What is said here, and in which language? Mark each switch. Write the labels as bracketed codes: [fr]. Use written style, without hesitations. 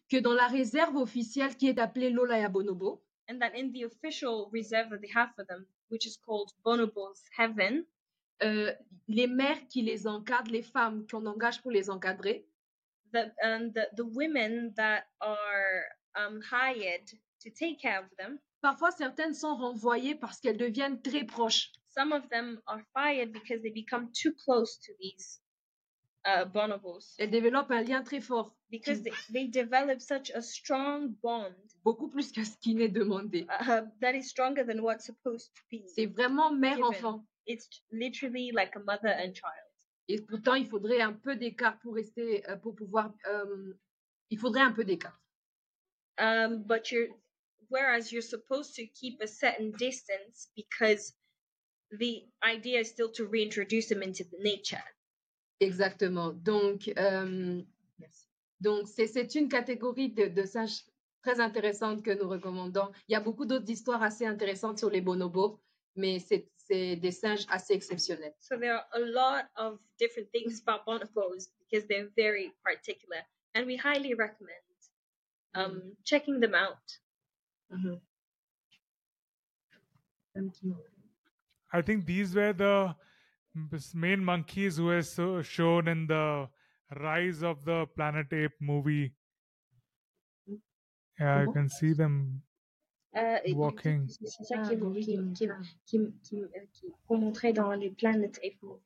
[fr] Que dans la réserve officielle qui est appelée Lolaya Bonobo. [en] And that in the official reserve that they have for them, which is called Bonobo's Heaven, [fr] les mères qui les encadrent, les femmes qu'on engage pour les encadrer, [en] the women that are hired to take care of them, [fr] parfois certaines sont renvoyées parce qu'elles deviennent très proches. [en] Some of them are fired because they become too close to these bonobos. [fr] Elles développent un lien très fort. [en] Because they develop such a strong bond. [fr] Beaucoup plus que ce qui n'est demandé. [en] That is stronger than what's supposed to be. [fr] C'est vraiment mère-enfant. [en] It's literally like a mother and child. [fr] Et pourtant, il faudrait un peu d'écart pour rester, pour pouvoir... il faudrait un peu d'écart. [en] But you're, whereas you're supposed to keep a certain distance because the idea is still to reintroduce them into the nature. [fr] Exactement. Donc, c'est une catégorie de sages très intéressante que nous recommandons. Il y a beaucoup d'autres histoires assez intéressantes sur les bonobos, mais c'est des singes assez exceptionnels. [en] So there are a lot of different things about bonobos because they're very particular, and we highly recommend checking them out. Thank you. I think these were the main monkeys who were shown in the Rise of the Planet Ape movie. Yeah, you can see them walking. [fr] C'est ça qui montrait dans les Planet Ape.